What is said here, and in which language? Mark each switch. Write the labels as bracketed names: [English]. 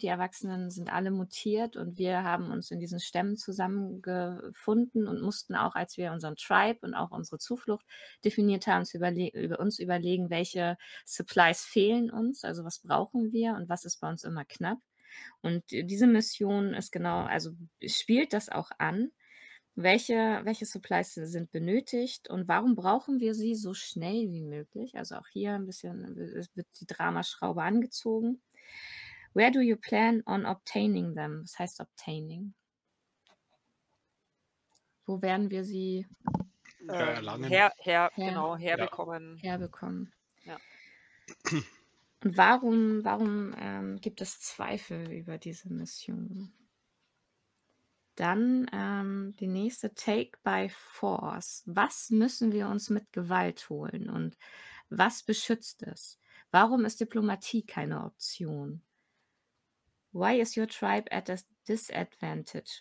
[German] Die Erwachsenen sind alle mutiert und wir haben uns in diesen Stämmen zusammengefunden und mussten auch, als wir unseren Tribe und auch unsere Zuflucht definiert haben, uns überlegen, welche Supplies fehlen uns, also was brauchen wir und was ist bei uns immer knapp. Und diese Mission ist genau, also spielt das auch an, welche Supplies sind benötigt und warum brauchen wir sie so schnell wie möglich. Also auch hier ein bisschen wird die Dramaschraube angezogen. [English] Where do you plan on obtaining them? [German] Was heißt obtaining? Wo werden wir sie herbekommen? Herbekommen. Und warum gibt es Zweifel über diese Mission? Dann die nächste, Take by Force. Was müssen wir uns mit Gewalt holen und was beschützt es? Warum ist Diplomatie keine Option? [English] Why is your tribe at a disadvantage?